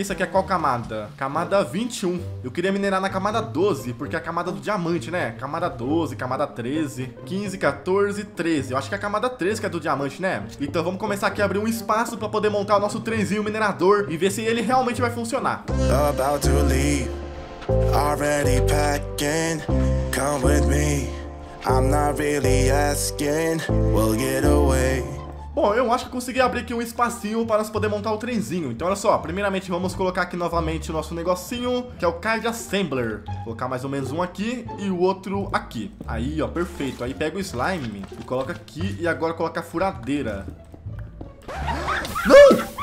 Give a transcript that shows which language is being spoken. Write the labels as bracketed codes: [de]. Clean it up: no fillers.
[pt] Isso aqui é qual camada? Camada 21. Eu queria minerar na camada 12, porque é a camada do diamante, né? Camada 12, camada 13, 15, 14, 13. Eu acho que é a camada 13 que é do diamante, né? Então vamos começar aqui a abrir um espaço pra poder montar o nosso trenzinho minerador e ver se ele realmente vai funcionar. [en] About to leave, already packing, come with me. I'm not really asking, we'll get away. [pt] Bom, eu acho que consegui abrir aqui um espacinho para nós poder montar o trenzinho. Então, olha só, primeiramente vamos colocar aqui novamente o nosso negocinho, que é o card assembler. Colocar mais ou menos um aqui e o outro aqui. Aí, ó, perfeito. Aí pega o slime e coloca aqui e agora coloca a furadeira. Não!